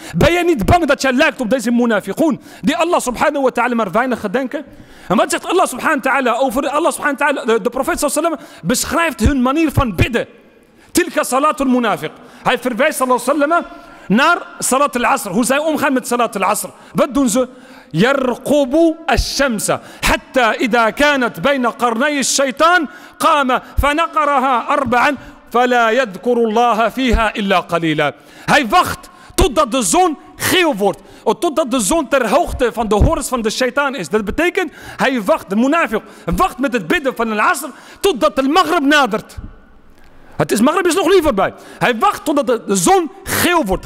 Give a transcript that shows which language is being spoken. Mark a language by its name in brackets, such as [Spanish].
[Dutch] Ben jij niet bang dat jij lijkt op deze munafiqoon? Die Allah subhanahu wa ta'ala maar weinig gedenken? En wat zegt Allah subhanahu wa ta'ala over Allah subhanahu wa ta'ala? De profeet sallallahu alayhi wa sallam beschrijft hun manier van bidden. [Arabic] Tilka salatul munafiq. [Dutch] Hij verwijst sallallahu alayhi wa sallam naar salat al-asr. Hoe zij omgaan met salat al-asr. Wat doen ze? [Arabic] يرقب الشمس حتى إذا كانت بين قرني الشيطان قام فنقرها أربعا فلا يذكر الله فيها إلا قليلا. [Dutch] Hij wacht totdat de zon geel wordt. Totdat de zon ter hoogte van de horens van de shaitaan is. Dat betekent, hij wacht, de munafiq, wacht met het bidden van de asr totdat de maghrib nadert. Het is, maghrib is nog niet voorbij. Hij wacht totdat de zon geel wordt.